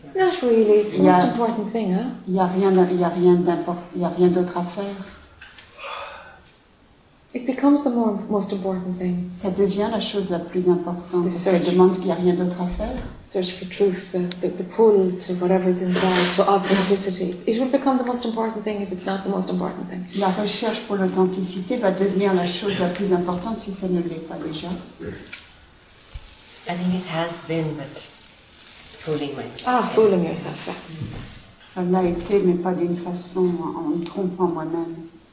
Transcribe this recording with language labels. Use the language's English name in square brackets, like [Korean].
[English] Not really. It's the most important thing, hein? [French] Il y a rien d'autre à faire. [English] It becomes the most important thing. [French] Ça devient la chose la plus importante. Parce qu'elle demande qu'il n'y a rien d'autre à faire. [English] Search for truth, the pull to whatever is inside, for authenticity. It will become the most important thing if it's not the most important thing. [French] La recherche pour l'authenticité va devenir la chose la plus importante si ça ne l'est pas déjà. [English] I think it has been, but fooling myself. Ah, fooling yourself. [French] Ça l'a été, mais pas d'une façon, en me trompant moi-même.